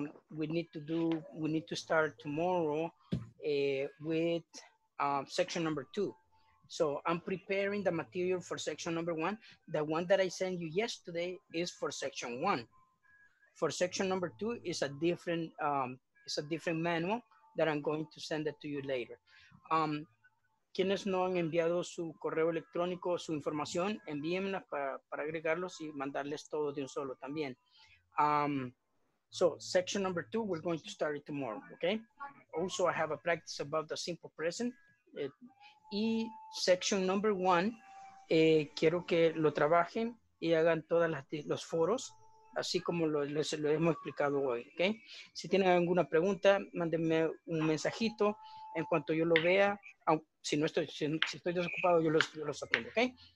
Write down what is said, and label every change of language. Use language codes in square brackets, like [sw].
[en] We need to start tomorrow with section number two. So I'm preparing the material for section number one. The one that I sent you yesterday is for section one. For section number two is a different manual that I'm going to send it to you later. [es] Quienes no han enviado su correo electrónico, su información, envíenmela para agregarlos y mandarles todo de un solo también. [en] So section number two, we're going to start it tomorrow, okay? Also, I have a practice about the simple present. [es] Y [en] section number one, [es] quiero que lo trabajen y hagan todos los foros, así como lo hemos explicado hoy, okay? Si tienen alguna pregunta, mándenme un mensajito. En cuanto yo lo vea, si estoy desocupado, yo los atiendo, okay?